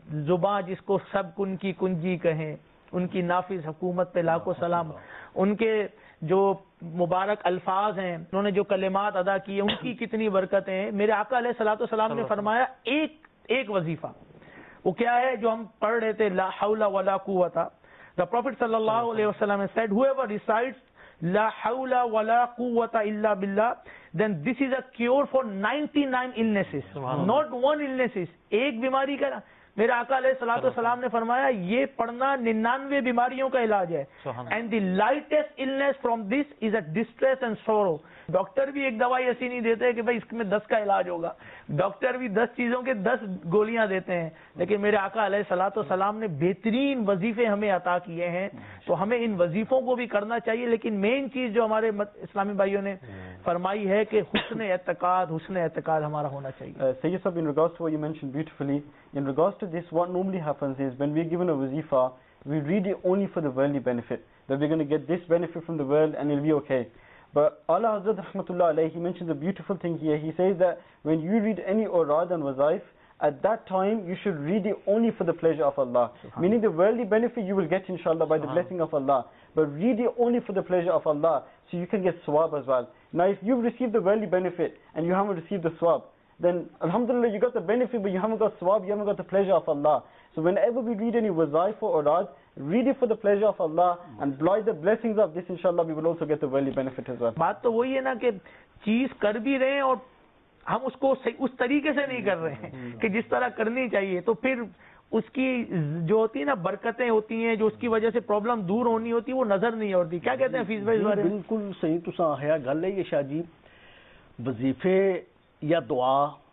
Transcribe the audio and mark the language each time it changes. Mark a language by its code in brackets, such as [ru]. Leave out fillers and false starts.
[ur] زبان جس کو سب کن کی کنجی کہیں ان کی نافذ حکومت پہ لاکھوں سلام ان کے جو مبارک الفاظ ہیں انہوں نے جو کلمات ادا کیے ان کی کتنی برکتیں ہیں میرے آقا علیہ الصلوۃ والسلام نے فرمایا ایک وظیفہ وہ کیا ہے جو ہم پڑھ رہے تھے لا حول ولا قوت [en] The Prophet صلی اللہ علیہ وسلم said, Whoever recites لا حول ولا قوة الا باللہ, then this is a cure for 99 illnesses. Not one illnesses. [ur] ایک بیماری کا میرے آقا علیہ الصلوۃ والسلام نے فرمایا یہ پڑھنا 99 بیماریوں کا علاج ہے. [en] And the lightest illness from this is a distress and sorrow. [ur] Doctor بھی ایک دوائی ایسی نہیں دیتے کہ بھائی اس میں 10 کا علاج ہوگا. ڈاکٹر بھی 10 چیزوں کے 10 گولیاں دیتے ہیں, لیکن میرے آقا علیہ الصلوۃ والسلام نے بہترین وظیفے ہمیں عطا کیے ہیں, تو ہمیں ان وظیفوں کو بھی کرنا چاہیے. لیکن مین چیز جو ہمارے اسلامی بھائیوں نے فرمائی ہے کہ حسن اعتقاد ہمارا ہونا چاہیے. [en] سید صاحب, in regard to what you mention beautifully, in regard to this, what normally happens is when we are given a وظیفہ we read it only for the worldly benefit that we are going to get this benefit from the world and it will be okay. But Allah Hazrat Rahmatullah Alayhi, he mentions a beautiful thing here. He says that when you read any urad and wazaif, at that time you should read it only for the pleasure of Allah. Meaning the worldly benefit you will get inshallah by the blessing of Allah. But read it only for the pleasure of Allah so you can get swab as well. Now if you've received the worldly benefit and you haven't received the swab, then alhamdulillah you got the benefit but you haven't got swab, you haven't got the pleasure of Allah. So whenever we read any wazaif or urad, read it for the pleasure of Allah and apply the blessings of this, inshallah we will also get the worldly benefit as well. [ur] بات تو وہی ہے نا کہ چیز کر بھی رہے ہیں اور ہم اس کو اس طریقے سے نہیں کر رہے ہیں کہ جس طرح کرنی چاہیے, تو پھر اس کی جو ہوتی ہے نا برکتیں ہوتی ہیں, جو اس کی وجہ سے پرابلم دور ہونی ہوتی ہے وہ نظر نہیں ہوتی. کیا کہتے ہیں فیض بھائی اس بارے؟ [pa] بالکل صحیح تسا ہے گل ہے شاہ جی, وظیفے یا دعا